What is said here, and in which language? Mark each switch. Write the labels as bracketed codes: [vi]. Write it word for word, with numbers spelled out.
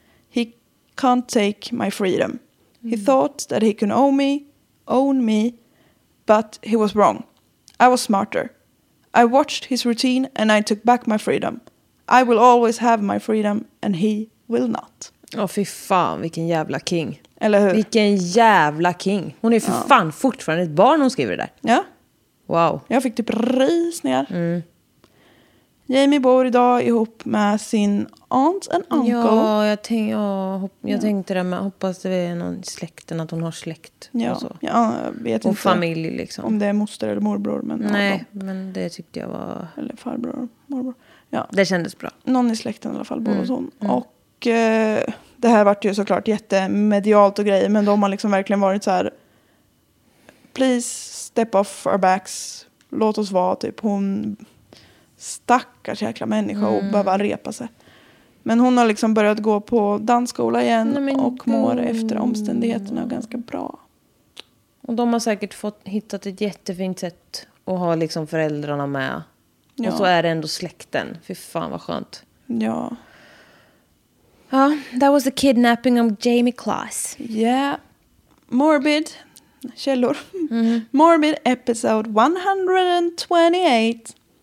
[en] He can't take my freedom. Mm. He thought that he could own me, own me, but he was wrong. I was smarter. I watched his routine and I took back my freedom. I will always have my freedom and he will not. [sv] Åh oh, fy fan, vilken jävla king. Eller hur? Vilken jävla king. Hon är för ja. fan fortfarande ett barn hon skriver det där. Ja. Wow. Jag fick typ rysningar. Mm. Jamie bor idag ihop med sin [en] aunt and uncle. [sv] Ja, jag, tänk, ja, hop, jag ja. tänkte det med. Hoppas det är någon släkten, att hon har släkt. Ja, och så. Ja, jag vet och inte familj, liksom. Om det är moster eller morbror. Men nej, men det tyckte jag var... Eller farbror, morbror. Ja. Det kändes bra. Någon i släkten i alla fall, mm. och, mm. och eh, det här vart ju såklart jättemedialt och grejer. Men de har liksom verkligen varit så här... [en] Please step off our backs. [sv] Låt oss vara, typ. Hon... stackars jäkla människa och mm. behöva repa sig. Men hon har liksom börjat gå på dansskola igen. Nej, och mår efter omständigheterna ganska bra. Och de har säkert fått hittat ett jättefint sätt att ha liksom föräldrarna med. Ja. Och så är det ändå släkten. Fy fan vad skönt. Ja. [en] Ja, oh, that was the kidnapping of Jamie Kloss. Yeah. Morbid källor. Mm. Morbid episode one twenty-eight.